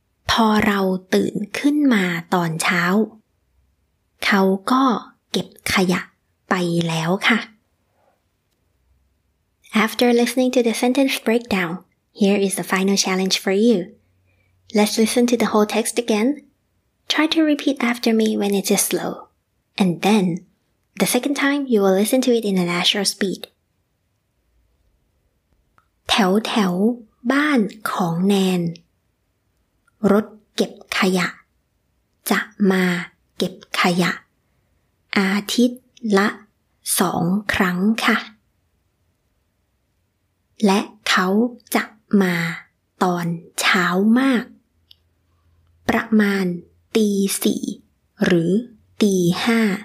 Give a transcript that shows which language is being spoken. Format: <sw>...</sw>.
<th>พอเราตื่นขึ้นมาตอนเช้าเขาก็เก็บขยะไปแล้วค่ะ</th> <en>after listening to the sentence breakdown here is the final challenge for youLet's listen to the whole text again. Try to repeat after me when it is slow. And then, the second time, you will listen to it in a natural speed.</en> <th>แถวแถวบ้านของแนนรถเก็บขยะจะมาเก็บขยะอาทิตย์ละสองครั้งค่ะและเขาจะมาตอนเช้ามากประมาณตีสี่หรือตีห้า</th>